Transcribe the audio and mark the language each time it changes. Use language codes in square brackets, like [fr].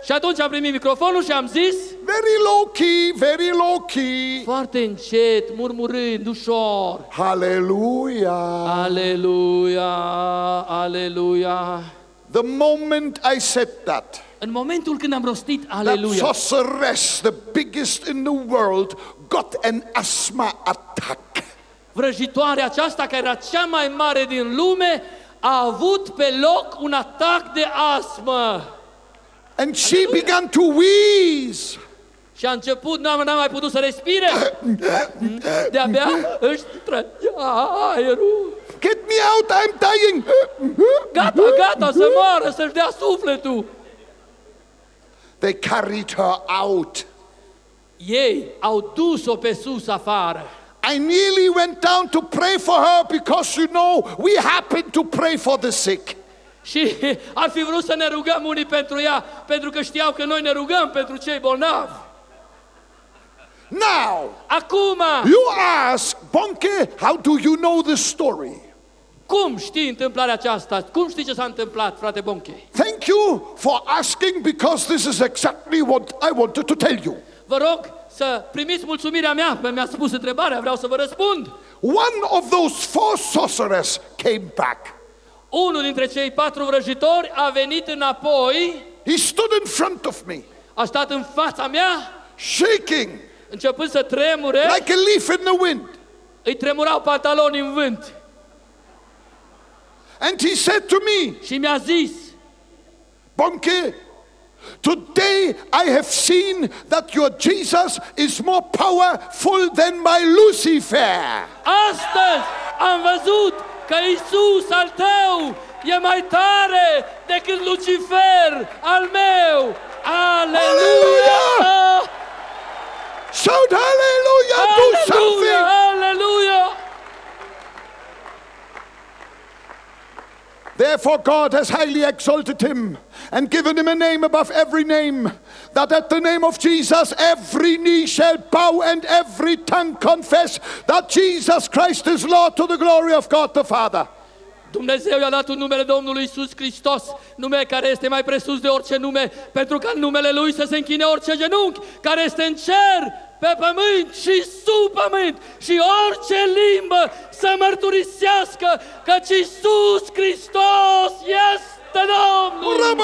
[ro] Și atunci am primit microfonul și am zis. [en] Very low key, very low key. [ro] Foarte încet, murmurând ușor. Aleluia. Aleluia. Aleluia. [en] The moment I said that. [ro] În momentul când am rostit aleluia. [en] That sorceress, the biggest in the world, got an asthma attack. [ro] Vrăjitoarea aceasta care era cea mai mare din lume a avut pe loc un atac de astmă. [en] And she began to wheeze. [ro] Și a început, n-a mai putut să respire. De-abia își trăgea aerul. [en] Get me out, I'm dying. [ro] Gata, gata, să moară, să-și dea sufletul. [en] They carried her out. [ro] Ei au dus-o pe sus afară. [en] I nearly went down to pray for her because you know we happen to pray for the sick. [ro] Și ar fi vrut să ne rugăm unii pentru ea, pentru că știau că noi ne rugăm pentru cei bolnavi. [en] Now. [ro] Acum. [en] You ask Bonke, how do you know the story? [ro] Cum știi întâmplarea aceasta? Cum știi ce s-a întâmplat, frate Bonke? [en] Thank you for asking because this is exactly what I wanted to tell you. [ro] Vă rog să primiți mulțumirea mea, mi-a spus întrebarea, vreau să vă răspund. [en] One of those four sorcerers came back. [ro] Unul dintre cei patru vrăjitori a venit înapoi. [en] He stood in front of me. [ro] A stat în fața mea. [en] Shaking. [ro] Începând să tremure. [en] Like a leaf in the wind. [ro] Îi tremurau pantaloni în vânt. [en] And he said to me. [ro] Și mi-a zis. [en] Bonke. Today I have seen that your Jesus is more powerful than my Lucifer. [ro] Astăzi am văzut că Iisus al tău e mai tare decât Lucifer al meu. Aleluia! [en] Shout hallelujah! Do something! [ro] Aleluia! [en] Therefore God has highly exalted him and given him a name above every name, that at the name of Jesus every knee shall bow and every tongue confess that Jesus Christ is Lord to the glory of God the Father. [ro] Dumnezeu i-a dat un nume, Domnului Iisus Hristos, nume care este mai presus de orice nume, pentru ca în numele Lui să se închine orice genunchi care este în cer, pe pământ și sub pământ, și orice limbă să mărturisească că Iisus Hristos este Domnul.